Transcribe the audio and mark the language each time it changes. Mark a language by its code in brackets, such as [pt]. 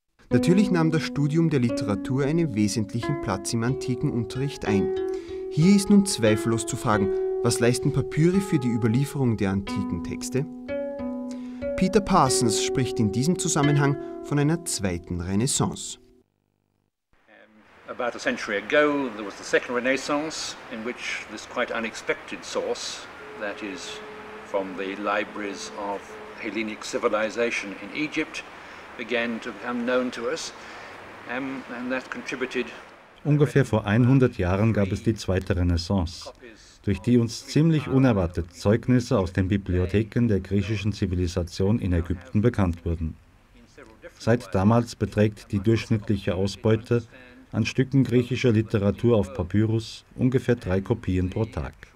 [de] Natürlich nahm das Studium der Literatur einen wesentlichen Platz im antiken Unterricht ein. Hier ist nun zweifellos zu fragen, was leisten Papyri für die Überlieferung der antiken Texte? Peter Parsons spricht in diesem Zusammenhang von einer zweiten Renaissance. [en] About a century ago, there was the second Renaissance, in which this quite unexpected source, that is from the libraries of Hellenic civilization in Egypt, began to become known to us, and that contributed. [de] Ungefähr vor 100 Jahren gab es die zweite Renaissance, durch die uns ziemlich unerwartet Zeugnisse aus den Bibliotheken der griechischen Zivilisation in Ägypten bekannt wurden. Seit damals beträgt die durchschnittliche Ausbeute an Stücken griechischer Literatur auf Papyrus ungefähr 3 Kopien pro Tag.